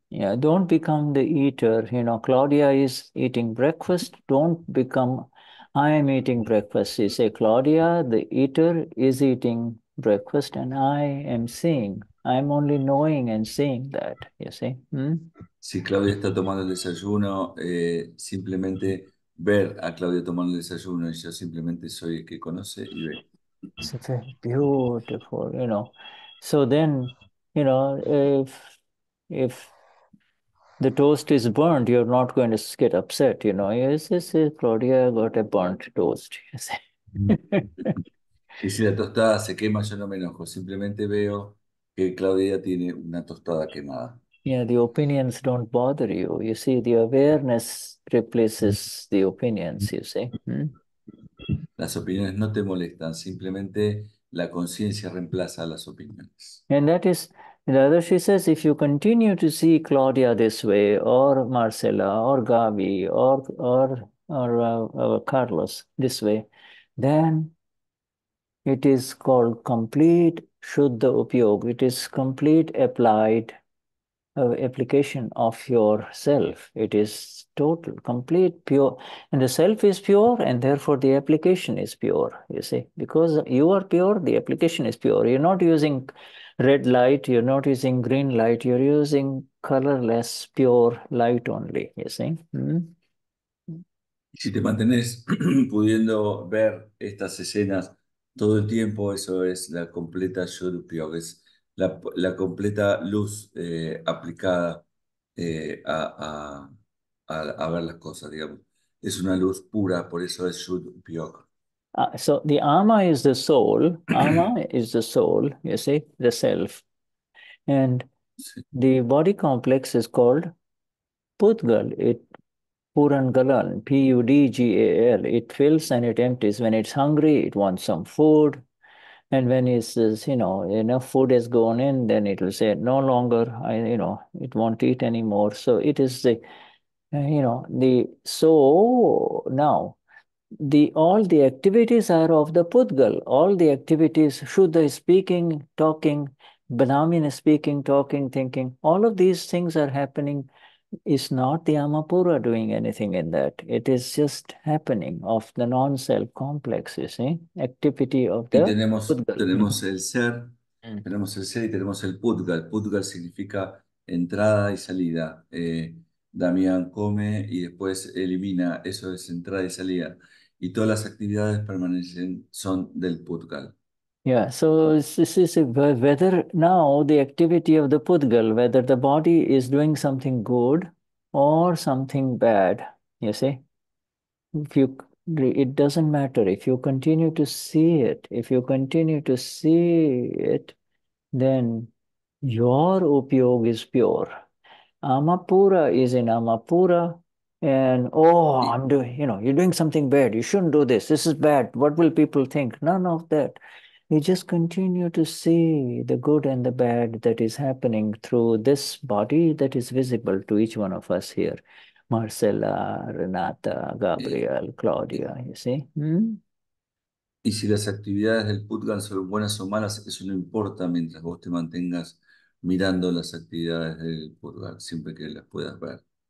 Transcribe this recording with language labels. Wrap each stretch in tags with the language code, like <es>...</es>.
<en>Yeah, don't become the eater, you know, Claudia is eating breakfast, don't become, I am eating breakfast, you say, Claudia, the eater is eating breakfast and I am seeing, I am only knowing and seeing that, you see. Hmm?</en> <es>Si Claudia está tomando el desayuno, simplemente ver a Claudia tomando el desayuno y yo simplemente soy el que conoce y ve.</es> <en>It's very beautiful, you know. So then, you know, if the toast is burnt, you're not going to get upset, you know. Yes, Claudia got a burnt toast, you see.</en> <es>Y si la tostada se quema, yo no me enojo. Simplemente veo que Claudia tiene una tostada quemada.</es> <en>Yeah, the opinions don't bother you. You see, the awareness replaces the opinions, you see. Hmm?</en> <es>Las opiniones no te molestan, simplemente la conciencia reemplaza las opiniones.</es> <en>And that is, the other she says, if you continue to see Claudia this way, or Marcella, or Gaby, or Carlos this way, then it is called complete Shuddha Upyog. It is complete applied application of your self. It is total, complete, pure. And the self is pure, and therefore the application is pure, you see. Because you are pure, the application is pure. You're not using red light, you're not using green light, you're using colorless, pure light only, you see.</en> <es>Si te mantienes pudiendo ver estas escenas todo el tiempo, eso es la completa Shuddhupyog. La completa luz aplicada a ver las cosas, digamos. Es una luz pura, por eso es Shuddhupyog.</es> <en>So the Ama is the soul. Ama is the soul, you see, the self. And sí. The body complex is called Pudgal. It Purangalan, Pudgal. It fills and it empties. When it's hungry, it wants some food. And when it says, you know, enough food has gone in, then it will say, no longer, it won't eat anymore. So it is the, you know, the, so now, the all the activities are of the Pudgal. All the activities, Shuddha is speaking, talking, Banamin is speaking, talking, thinking. All of these things are happening. It's not the Amapura doing anything in that. It is just happening of the non-self complex, you see? Activity of the Pudgal.</en> <es>Tenemos el ser, tenemos el ser y tenemos el Pudgal. Pudgal significa entrada y salida. Damián come y después elimina. Eso es entrada y salida. Y todas las actividades permanecen, son del Pudgal.</es> <en>Yeah, so this is whether now the activity of the pudgal, whether the body is doing something good or something bad, you see, it doesn't matter. If you continue to see it, if you continue to see it, then your upyog is pure. Amapura is in Amapura, and you're doing something bad. You shouldn't do this. This is bad. What will people think? None of that. You just continue to see the good and the bad that is happening through this body that is visible to each one of us here. Marcella, Renata, Gabriel, Claudia, you see?</en> <es>Y si las actividades del Pudgan son buenas o malas, eso no importa mientras vos te mantengas mirando las actividades del Pudgan, siempre que las puedas ver.</es>